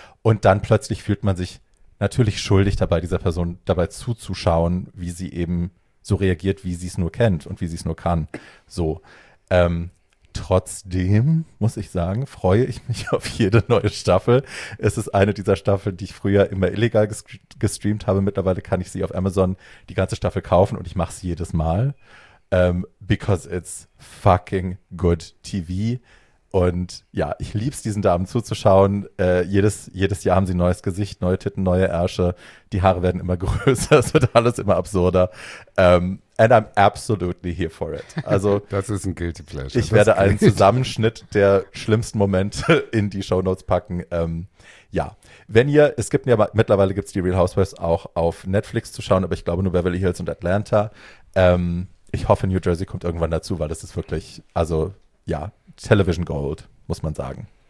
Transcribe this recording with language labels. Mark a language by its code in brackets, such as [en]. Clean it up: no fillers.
[de] Und dann plötzlich fühlt man sich natürlich schuldig dabei, dieser Person dabei zuzuschauen, wie sie eben so reagiert, wie sie es nur kennt und wie sie es nur kann. So. Trotzdem muss ich sagen, freue ich mich auf jede neue Staffel. Es ist eine dieser Staffeln, die ich früher immer illegal gestreamt habe. Mittlerweile kann ich sie auf Amazon die ganze Staffel kaufen und ich mache sie jedes Mal. [en] Because it's fucking good TV. [de] Und ja, ich liebe es, diesen Damen zuzuschauen. Jedes Jahr haben sie ein neues Gesicht, neue Titten, neue Ärsche. Die Haare werden immer größer, es wird alles immer absurder. [en] And I'm absolutely here for it. [de] Also, das ist ein Guilty Pleasure. Ich das werde einen Zusammenschnitt der schlimmsten Momente in die Shownotes packen. Ja, wenn ihr, es gibt ja mittlerweile gibt es die Real Housewives auch auf Netflix zu schauen, aber ich glaube nur Beverly Hills und Atlanta. Ich hoffe, New Jersey kommt irgendwann dazu, weil das ist wirklich, also ja, Television Gold, muss man sagen.